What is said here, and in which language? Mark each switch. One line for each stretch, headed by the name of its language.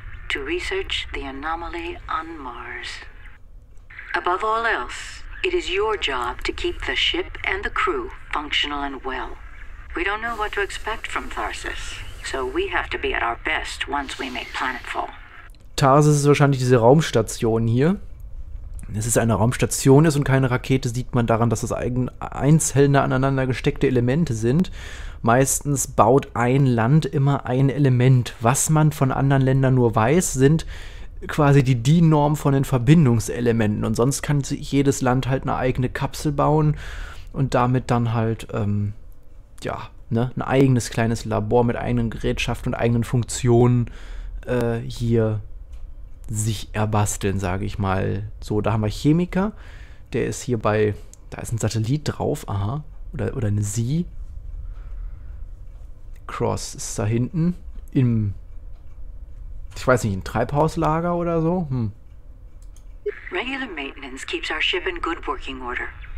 English: To research the anomaly on Mars. Above all else, it is your job to keep the ship and the crew functional and well. We don't know what to expect from THARSIS, so we have to be at our best once we make planetfall.
German: THARSIS ist wahrscheinlich diese Raumstation hier. Dass es eine Raumstation ist und keine Rakete, sieht man daran, dass es einzelne aneinander gesteckte Elemente sind. Meistens baut ein Land immer ein Element. Was man von anderen Ländern nur weiß, sind quasi die DIN-Norm von den Verbindungselementen. Und sonst kann sich jedes Land halt eine eigene Kapsel bauen und damit dann halt, ja, ne, ein eigenes kleines Labor mit eigenen Gerätschaften und eigenen Funktionen hier sich erbasteln, sage ich mal. So, da haben wir Chemiker. Der ist hier bei, da ist ein Satellit drauf, aha. Oder eine Sie. Cross ist da hinten. Im, ich weiß nicht, ein Treibhauslager oder so. Hm.
English: Regular maintenance keeps our ship in good working order.